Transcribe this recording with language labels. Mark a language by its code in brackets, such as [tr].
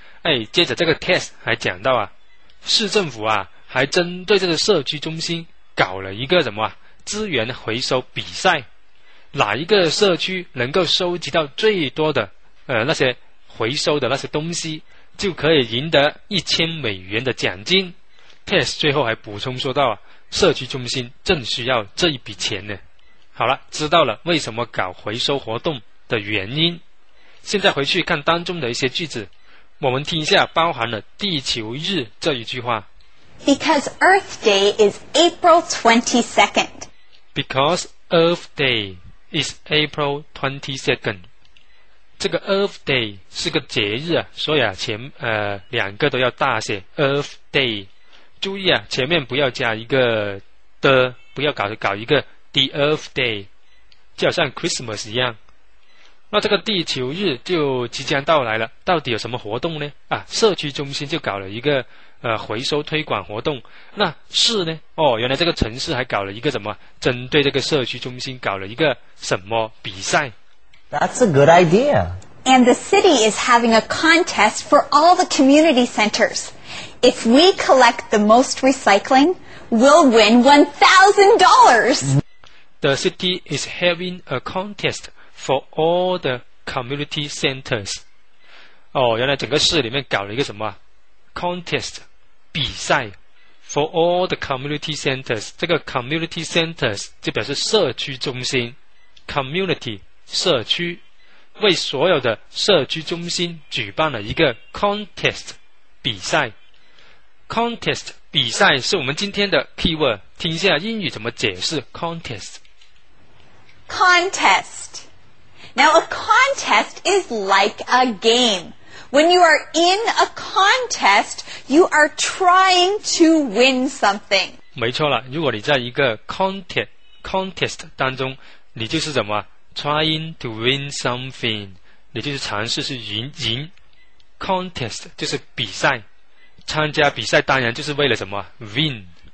[zh] 哎，接着这个 Tess 还讲到啊，市政府啊还针对这个社区中心搞了一个什么啊资源回收比赛，哪一个社区能够收集到最多的那些回收的那些东西，就可以赢得$1,000的奖金。 Tess 最后还补充说到啊，社区中心正需要这一笔钱呢。好了，知道了为什么搞回收活动的原因，现在回去看当中的一些句子，我们听一下包含了地球日这一句话。 [en] Because Earth Day is April 22nd. Because Earth Day is April 22nd. [zh] 这个 Earth Day 是个节日啊，所以啊前两个都要大写 Earth Day。注意啊，前面不要加一个的，不要搞一个 [en] the Earth Day， [zh] 就好像 Christmas 一样。那这个地球日就即将到来了，到底有什么活动呢？啊，社区中心就搞了一个回收推广活动。那市呢？哦，原来这个城市还搞了一个什么？针对这个社区中心搞了一个什么比赛 [en] ？That's a good idea. And the city is having a contest for all the community centers. If we collect the most recycling, we'll win $1,000. The city is having a contest for all the community centers. [zh] 哦，原来整个市里面搞了一个什么 contest 比赛 [en] for all the community centers. [zh] 这个 community centers 就表示社区中心 ，community 社区，为所有的社区中心举办了一个 contest 比赛。 Contest 比赛是我们今天的 keyword， 听一下英语怎么解释 contest。 [en] Contest. Now a contest is like a game. When you are in a contest, you are trying to win something. [zh] 没错了，如果你在一个 contest 当中，你就是怎么 [en] trying to win something， [zh] 你就是尝试去赢。 Contest 就是比赛，参加比赛当然就是为了什么 win。